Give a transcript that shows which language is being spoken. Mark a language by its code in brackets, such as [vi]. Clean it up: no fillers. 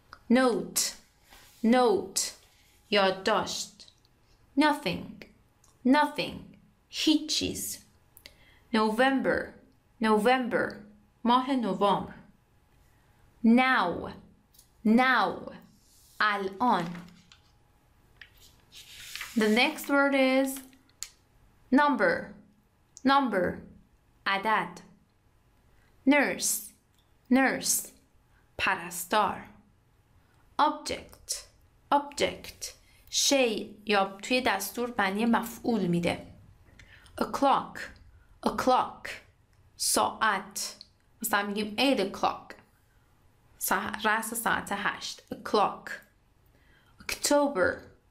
[en] note note [fa] یاد داشت [en] nothing nothing [fa] هیچ چیز [en] november november [fa] ماه نوامبر [en] now now [fa] الان [en] The next word is number, number, [fa] عدد. [en] Nurse, nurse, پرستار. [fa] Object, object, شی یا توی دستور معنی مفعول میده. [en] O'clock, o'clock, ساعت. [fa] مثلا میگیم [en] 8 o'clock. [fa] رأس ساعت 8, [en] o'clock. October,